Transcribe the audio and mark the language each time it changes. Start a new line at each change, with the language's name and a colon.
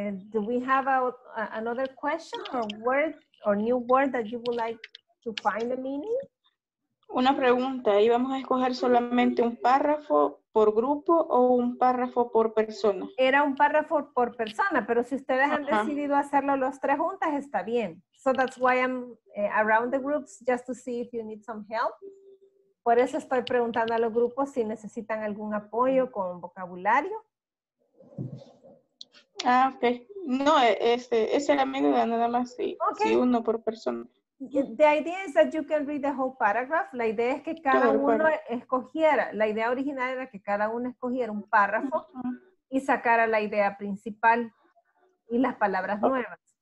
English: Do we have another question or word or new word that you would like to find a meaning?
Spanish: Una pregunta, ¿íbamos a escoger solamente un párrafo por grupo o un párrafo por persona? Era un párrafo por persona, pero si ustedes han decidido hacerlo los tres juntas, está bien.
English: So that's why I'm around the groups, just to see if you need some help.
Spanish: Por eso estoy preguntando a los grupos si necesitan algún apoyo con vocabulario. Ah, ok. No, ese era mi duda, nada más, sí, okay. Sí, uno por persona.
English: The idea is that you can read the whole paragraph.
Spanish: La idea es que cada uno escogiera. La idea original era que cada uno escogiera un párrafo y sacara la idea principal y las palabras nuevas.